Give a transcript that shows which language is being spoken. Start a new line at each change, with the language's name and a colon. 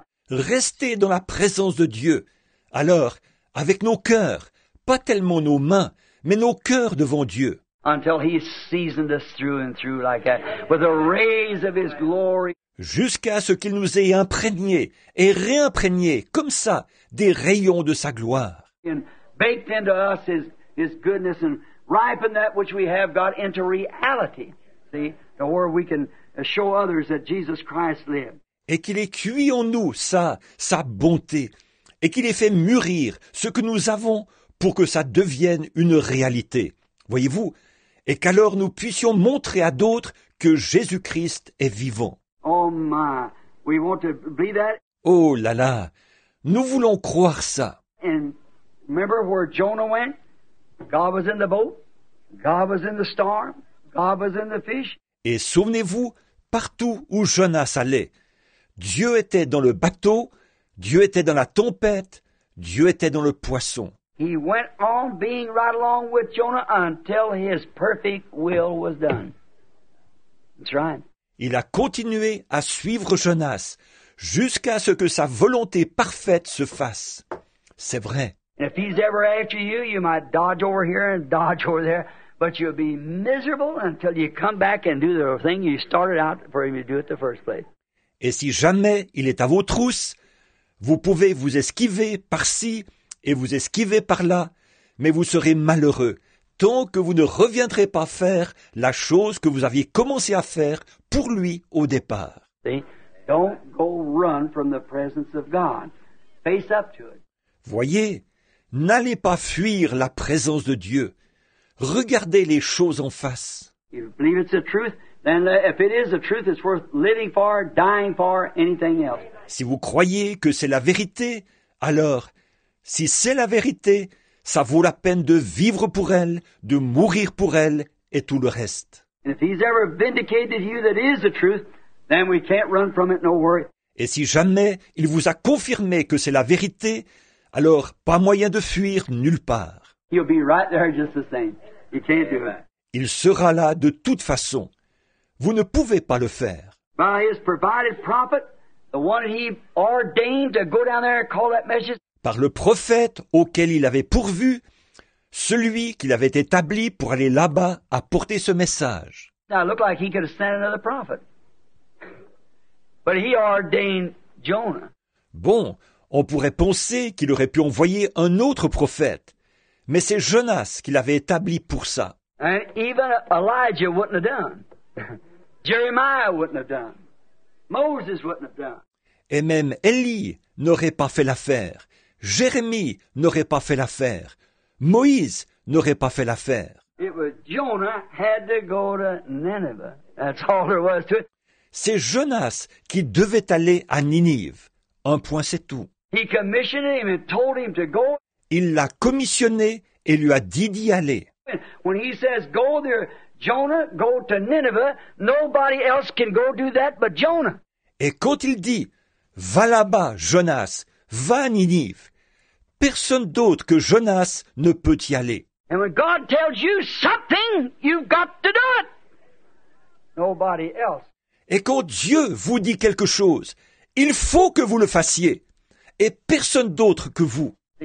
French: Restez dans la présence de Dieu. Alors, avec nos cœurs, pas tellement nos mains, mais nos cœurs devant Dieu.
English: Until he seasoned us through and through like that, with the rays of his glory.
French: Jusqu'à ce qu'il nous ait imprégné et réimprégné comme ça des rayons de sa gloire.
English: And baked into us his goodness and ripened that which we have got into reality. See, to where we can show others that Jesus Christ lived.
French: Et qu'il ait cuit en nous ça, sa bonté, et qu'il ait fait mûrir ce que nous avons pour que ça devienne une réalité. Voyez-vous, et qu'alors nous puissions montrer à d'autres que Jésus-Christ est vivant.
English: Oh, my. We want to believe that.
French: Oh là là, nous voulons croire ça.
English: And remember where Jonah went? God was in the boat. God was in the storm. God was in the fish.
French: Et souvenez-vous, partout où Jonas allait. Dieu était dans le bateau, Dieu était dans la tempête, Dieu était dans le poisson.
English: He went on being right along with Jonah until his perfect will was done. That's right.
French: Il a continué à suivre Jonas jusqu'à ce que sa volonté parfaite se fasse. C'est vrai.
English: If he's ever after you, you might dodge over here and dodge over there, but you'll be miserable until you come back and do the thing you started out for him to do at the first place.
French: Et si jamais il est à vos trousses, vous pouvez vous esquiver par-ci et vous esquiver par-là, mais vous serez malheureux tant que vous ne reviendrez pas faire la chose que vous aviez commencé à faire pour lui au départ.
English: Don't go run from the presence of God. Face up to it.
French: Voyez, n'allez pas fuir la présence de Dieu. Regardez les choses en face.
English: If you believe it's the truth, then if it is the truth, it's worth living for, dying for, anything else.
French: Si vous croyez que c'est la vérité, alors, si c'est la vérité, ça vaut la peine de vivre pour elle, de mourir pour elle et tout le reste.
English: If he's ever vindicated you that is the truth, then we can't run from it, no worry.
French: Et si jamais il vous a confirmé que c'est la vérité, alors pas moyen de fuir nulle part.
English: He'll be right there just the same. You can't do that.
French: Il sera là de toute façon. Vous ne pouvez pas le faire.
English: By his provided prophet, the one he ordained to go down there and call that message.
French: Par le prophète auquel il avait pourvu, celui qu'il avait établi pour aller là-bas apporter ce message.
English: Now it looked like he could have sent another prophet. But he ordained Jonah.
French: Bon, on pourrait penser qu'il aurait pu envoyer un autre prophète, mais c'est Jonas qu'il avait établi pour ça.
English: And even Elijah wouldn't have done. Jeremiah wouldn't have done. Moses wouldn't have done.
French: Et même Élie n'aurait pas fait l'affaire. Jérémie n'aurait pas fait l'affaire. Moïse n'aurait pas fait l'affaire.
English: It was Jonah had to go to Nineveh. That's all there was to it.
French: C'est Jonas qui devait aller à Ninive. Un point, c'est tout.
English: He commissioned him and told him to go.
French: Il l'a commissionné et lui a dit d'y aller.
English: When he says go there, Jonah, go to Nineveh, nobody else can go do that but Jonah.
French: Et quand il dit, va là-bas, Jonas, va à Ninive, personne d'autre que Jonas ne peut y aller.
English: And when God tells you something, you've got to do it. Nobody else.
French: Et quand Dieu vous dit quelque chose, il faut que vous le fassiez, et personne d'autre que vous.